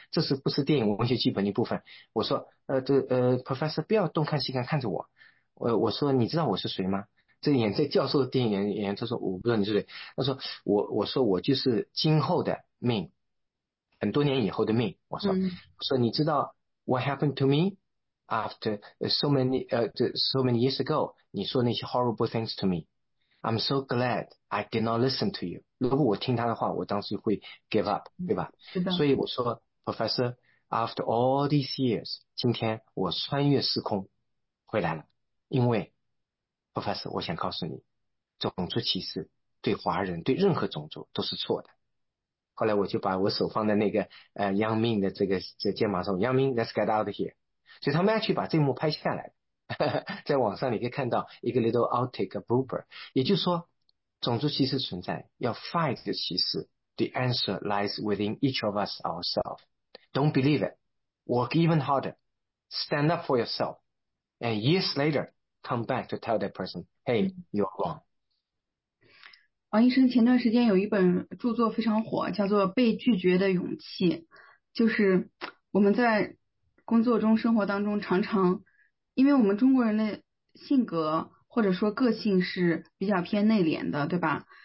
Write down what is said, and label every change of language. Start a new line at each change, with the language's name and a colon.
Chinese: 这是不是电影文学剧本的一部分？我说Professor 不要东看西看看着我，我说你知道我是谁吗？这演这教授的电影演员他说我不知道你是谁，他说我就是今后的命，很多年以后的命。我说我说你知道
English: What happened to me after so many years ago？
Chinese: 你说那些
English: horrible things to me. I'm so glad I did not listen to you.
Chinese: 如果我听他的话，我当时会
English: give up,
Chinese: 对吧？所以我说 Professor,
English: after all these years,
Chinese: 今天我穿越时空回来了。因为 Professor, 我想告诉你，种族歧视对华人，对任何种族都是错的。后来我就把我手放在那个Yang Ming的这个肩膀上， Yang Ming,
English: let's get out of here.
Chinese: 所以他们要去把这幕拍下来。在网上你可以看到一个
English: little outtake blooper，
Chinese: 也就是说种族歧视存在，要
English: fight 的歧视， the answer lies within each of us ourselves. Don't believe it. Work even harder. Stand up for yourself. And years later, come back to tell that person, hey, you're wrong.
Chinese: 王医生前段时间有一本著作非常火，叫做《被拒绝的勇气》，就是我们在工作中生活当中常常因为我们中国人的性格或者说个性是比较偏内敛的，对吧？